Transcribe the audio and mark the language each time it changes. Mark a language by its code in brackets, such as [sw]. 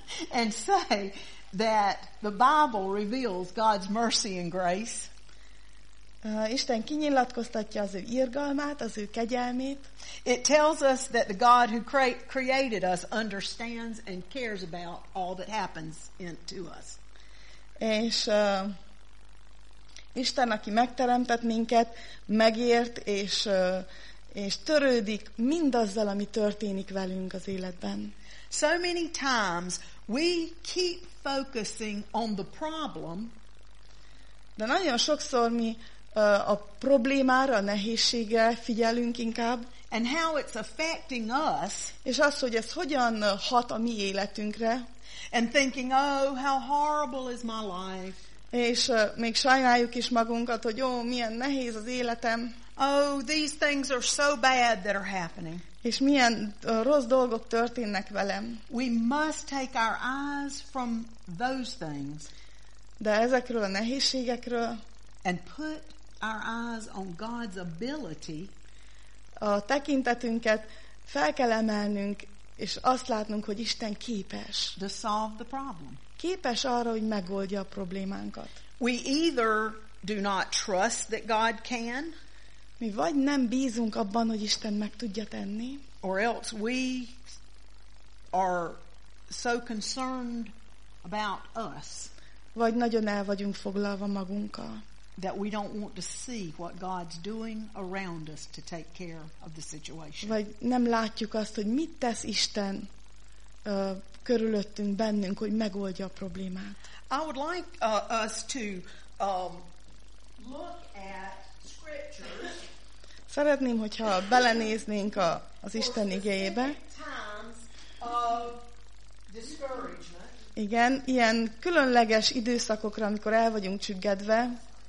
[en] And say that the Bible reveals God's mercy and grace. [hu] Isten kinyilatkoztatja az ő irgalmát, az ő kegyelmét. [en] It tells us that the God who created us understands and cares about all that happens to us. [hu] És Isten, aki megteremtett minket, megért és törődik mindazzal, ami történik velünk az életben. [en] So many times we keep focusing on the problem. [hu] De nagyon sokszor mi a problémára, a nehézségre figyelünk inkább. [en] And how it's affecting us. [hu] És az, hogy ez hogyan hat a mi életünkre. [en] And thinking, oh, how horrible is my life. [hu] És még sajnáljuk is magunkat, hogy ó, milyen nehéz az életem. [en] Oh, these things are so bad that are happening. [hu] És milyen rossz dolgok történnek velem. [en] We must take our eyes from those things. [hu] De ezekről a nehézségekről. [en] And put our eyes on God's ability. [hu] A tekintetünket fel kell emelnünk, és azt látnunk, hogy Isten képes. [en] To solve the problem. [hu] Képes arra, hogy megoldja a problémánkat. [en] We either do not trust that God can. [hu] Mi vagy nem bízunk abban, hogy Isten meg tudja tenni. [en] Or else we are so concerned about us. [hu] Vagy nagyon el vagyunk foglalva magunkkal. [en] That we don't want to see what God's doing around us to take care of the situation. [hu] Vagy nem látjuk azt, hogy mit tesz Isten körülöttünk, bennünk, hogy megoldja a problémát. [en] I would like us to look at scriptures. [hu] Szeretném, hogyha belenéznénk az Isten igéjébe. Igen, ilyen különleges időszakokra, amikor el vagyunk csüggedve.